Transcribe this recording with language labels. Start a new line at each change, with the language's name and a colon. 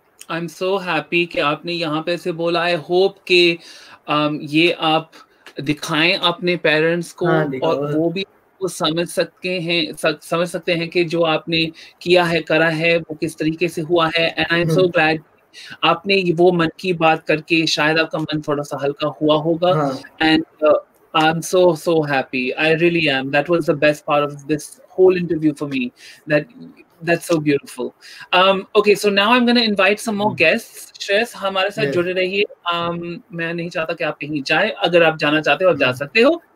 English: I am so happy
Hindi: कि आपने यहाँ पे से बोला.
English: I hope
Hindi: कि ये आप दिखाएं अपने पेरेंट्स को, और वो भी वो समझ सकते हैं कि जो आपने किया है, करा है, वो किस तरीके से हुआ है.
English: and I am so glad
Hindi: आपने वो मन की बात करके शायद आपका मन थोड़ा सा हल्का हुआ होगा. And
English: I'm so, so happy. I really am. That was the best part of this whole interview for me. That's so beautiful. Okay, so now I'm going to invite some more guests.
Hindi: Shreyas, हमारे साथ जुड़े रहिए. मैं नहीं चाहता कि आप कहीं जाए. अगर आप जाना चाहते हो, आप जा सकते हो.